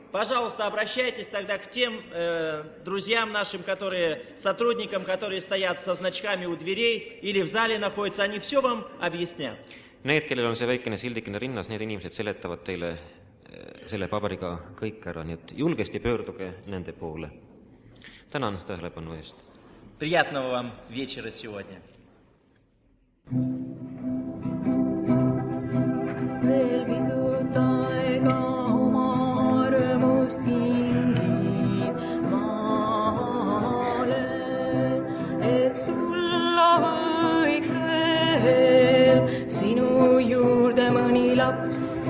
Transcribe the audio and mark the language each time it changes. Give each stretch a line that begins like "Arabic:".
Russian: Пожалуйста, обращайтесь тогда к тем друзьям нашим, которые сотрудникам, которые стоят со значками у дверей или в зале находятся, они все вам объяснят.
Estonian: Need, kellel on see väikene sildikene rinnas, need inimesed seletavad teile selle paberiga kõik ära. Nii et julgesti pöörduge nende poole. Tänan tähelepanu eest.
Russian: Приятного вам вечера сегодня.
Estonian: Veel pisut aega oma armust kingi maale, et tulla võiks veel sinu juurde mõni laps.